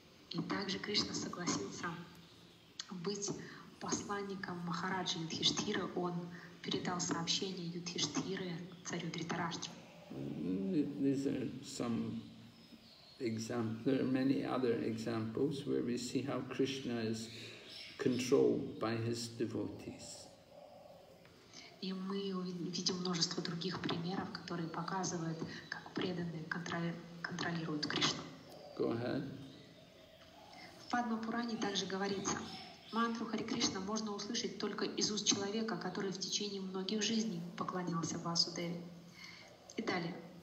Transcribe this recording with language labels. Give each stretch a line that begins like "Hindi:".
Russian: И также Кришна согласился быть посланником Махараджи Юдхиштхиры. Он передал сообщение Юдхиштхиры царю Дритараштре.
English: These are some examples. There are many other examples where we see how Krishna is controlled by his devotees.
Russian: И мы видим множество других примеров, которые показывают, как преданные контролируют Кришну.
English: Go ahead.
Russian: В Падмапуране также говорится: мантру Хари Кришна можно услышать только из уст человека, который в течение многих жизней поклонялся Васудеве. И далее.